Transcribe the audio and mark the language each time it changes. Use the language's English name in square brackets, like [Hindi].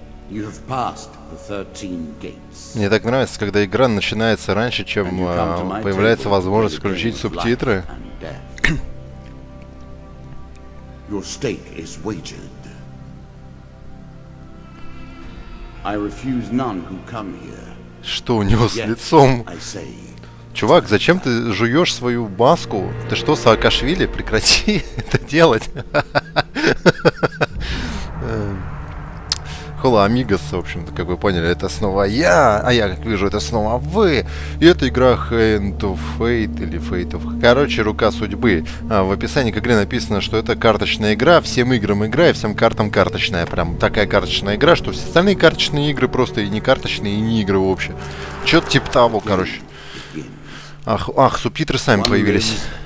[English] You have passed the 13 gates. [Russian] Мне так нравится, когда игра начинается раньше, чем появляется возможность включить субтитры. [English] Your stake is wagered. I refuse none who come here. [Russian] Что у него с лицом? Чувак, зачем ты жуешь свою маску? Ты что, Саакашвили? Прекрати это делать. [Spanish] Hola, amigos, [Russian] в общем-то, как вы поняли, это снова я. А я, как вижу, это снова вы. И это игра Hand of Fate или Fate of... Короче, Рука Судьбы. В описании к игре написано, что это карточная игра. Всем играм игра и всем картам карточная. Прям такая карточная игра, что все остальные карточные игры просто и не карточные, и не игры вообще. Чё-то типа того, короче. Ах, субтитры сами появились.